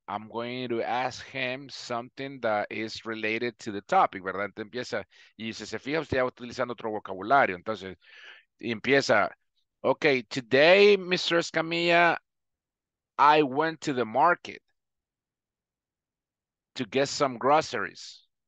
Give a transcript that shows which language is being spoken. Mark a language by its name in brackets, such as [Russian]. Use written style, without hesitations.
[English] I'm going to ask him something that is related to the topic, [Spanish] ¿verdad? Entonces empieza, y si se fija, usted ya va utilizando otro vocabulario, entonces, y empieza, [English] ok, today, [Spanish] Mr. [English] Escamilla, I went to the market to get some groceries.